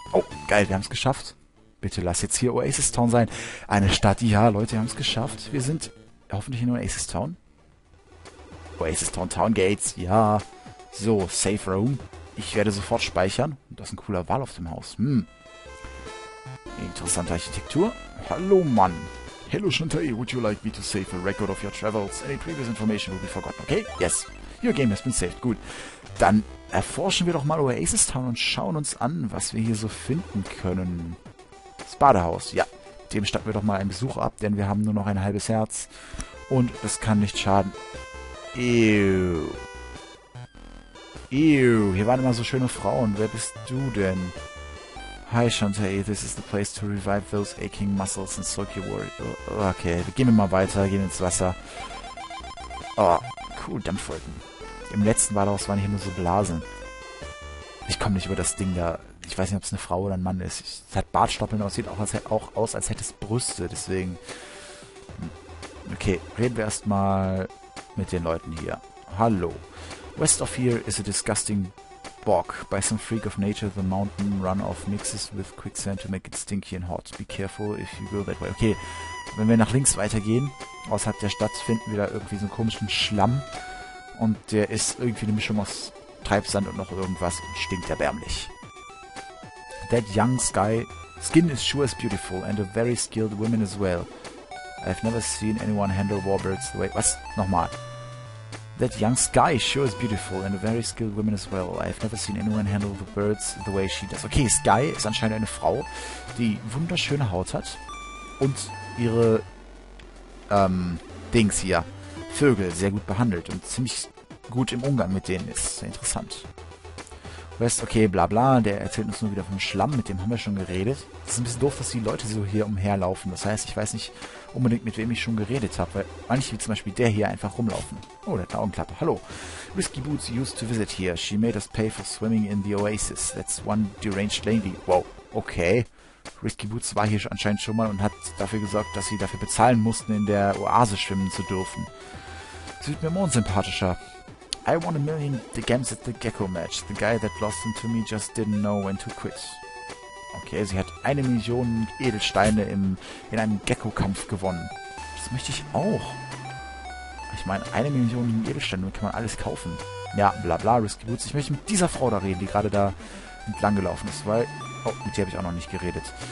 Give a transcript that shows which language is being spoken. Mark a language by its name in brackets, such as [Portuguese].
[German] Oh, geil, wir haben es geschafft. Bitte lass jetzt hier Oasis Town sein. Eine Stadt, ja, Leute, wir haben es geschafft. Wir sind hoffentlich in Oasis Town. Oasis Town, Town Gates, ja. So, Safe Room. Ich werde sofort speichern. Das ist ein cooler Wal auf dem Haus. Interessante Architektur. Hallo, Mann. Hello, Shantae. [English] Would you like me to save a record of your travels? Any previous information will be forgotten, okay? Yes. Your game has been saved. Gut. [German] Dann erforschen wir doch mal Oasis Town und schauen uns an, was wir hier so finden können. Das Badehaus, ja. Dem statten wir doch mal einen Besuch ab, denn wir haben nur noch ein halbes Herz. Und es kann nicht schaden. Ew. Ew. Hier waren immer so schöne Frauen. Wer bist du denn? Hi, Shantae. [English] This is the place to revive those aching muscles and soak your worry. [German] Okay, gehen wir mal weiter. Gehen ins Wasser. Oh, cool. Dampfwolken. Im letzten Badehaus waren hier nur so Blasen. Ich komme nicht über das Ding da. ich weiß nicht, ob es eine Frau oder ein Mann ist. Es hat Bartstoppeln, aber es sieht auch aus, als hätte es Brüste, deswegen. Okay, reden wir erstmal mit den Leuten hier. [English] Hallo. West of here is a disgusting bog. By some freak of nature, the mountain runoff mixes with quicksand to make it stinky and hot. Be careful if you go that way. [German] Okay, wenn wir nach links weitergehen, außerhalb der Stadt, finden wir da irgendwie so einen komischen Schlamm. Und der ist irgendwie eine Mischung aus Treibsand und noch irgendwas und stinkt erbärmlich. [English] That young sky skin is sure as beautiful and a very skilled woman as well. I've never seen anyone handle warbirds the way... [German] Was? Nochmal. [English] That young sky sure is beautiful and a very skilled woman as well. I've never seen anyone handle the birds the way she does. [German] Okay, Sky ist anscheinend eine Frau, die wunderschöne Haut hat und ihre Dings hier, Vögel, sehr gut behandelt und ziemlich gut im Umgang mit denen ist. Sehr interessant. West, okay, bla bla, der erzählt uns nur wieder vom Schlamm, mit dem haben wir schon geredet. Das ist ein bisschen doof, dass die Leute so hier umherlaufen. Das heißt, ich weiß nicht unbedingt, mit wem ich schon geredet habe, weil manche, wie zum Beispiel der hier, einfach rumlaufen. Oh, der hat eine Augenklappe. Hallo. [English] Whiskey Boots used to visit here. She made us pay for swimming in the Oasis. That's one deranged lady. Wow, okay. [German] Whiskey Boots war hier anscheinend schon mal und hat dafür gesorgt, dass sie dafür bezahlen mussten, in der Oase schwimmen zu dürfen. Sie wird mir immer unsympathischer. [English] I won a million gems at the Gecko Match. The guy that lost them to me just didn't know when to quit. [German] Okay, sie hat 1 Million Edelsteine in einem Gecko-Kampf gewonnen. Das möchte ich auch. Ich meine, 1 Million Edelsteine, damit kann man alles kaufen. Ja, bla bla, Risky Boots. Ich möchte mit dieser Frau da reden, die gerade da entlang gelaufen ist, weil... Oh, mit der habe ich auch noch nicht geredet.